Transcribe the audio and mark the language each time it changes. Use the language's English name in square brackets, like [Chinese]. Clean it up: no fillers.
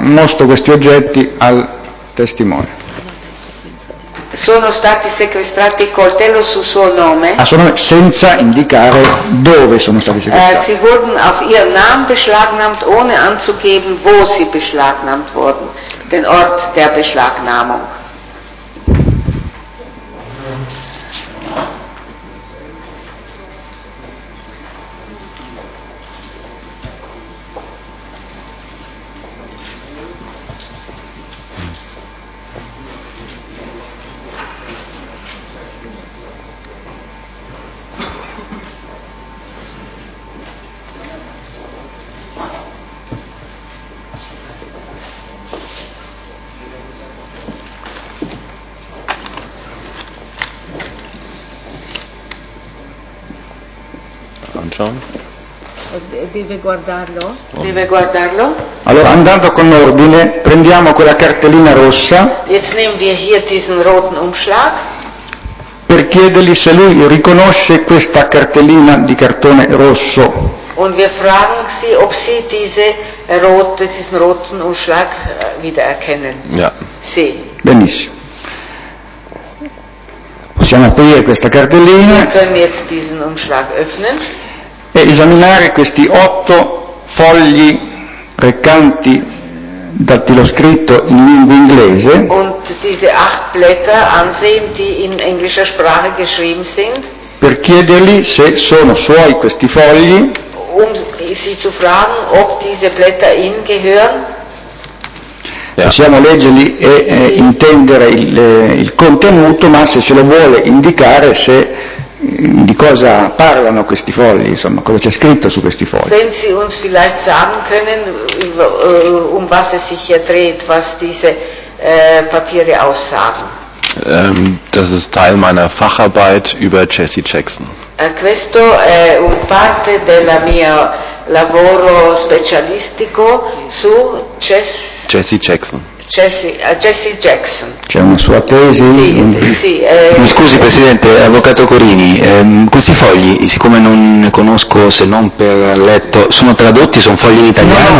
[Italian] Mostro questi oggetti al testimone. Sono stati sequestrati coltello su suo nome. A suo nome, senza indicare dove sono stati sequestrati. [German] Sie wurden auf ihren Namen beschlagnahmt, ohne anzugeben, wo sie beschlagnahmt wurden, den Ort der Beschlagnahmung. [Italian] Deve guardarlo. Deve guardarlo. Allora, andando con ordine, prendiamo quella cartellina rossa. [German] Jetzt nehmen wir hier diesen roten Umschlag. [Italian] Per chiedergli se lui riconosce questa cartellina di cartone rosso. [German] Und wir fragen sie, ob sie diese rote, diesen roten Umschlag wiedererkennen. Ja. [Italian] Sì. Benissimo. Possiamo aprire questa cartellina. [German] Wir können jetzt diesen Umschlag öffnen. [Italian] E esaminare questi 8 fogli recanti dattiloscritto in lingua inglese. [German] Und diese 8 Blätter ansehen, die in englischer Sprache geschrieben sind. [Italian] Per chiedergli se sono suoi questi fogli. [German] Um sie zu fragen, ob diese Blätter ihnen gehören. [Italian] Possiamo leggerli e sì, intendere il contenuto, ma se ce lo vuole indicare se di cosa parlano questi fogli, insomma, cosa c'è scritto su questi fogli. [German] Wenn Sie uns vielleicht sagen können, um was es sich hier dreht, was diese Papiere aussagen. Das ist Teil meiner Facharbeit über Jesse Jackson. [Italian] Questo è un parte della mia lavoro specialistico su Jesse Jackson. Jesse Jackson. C'è una sua tesi? Sì, Mi scusi Presidente, Avvocato Corini, questi fogli, siccome non ne conosco se non per letto, sono tradotti, sono fogli in italiano?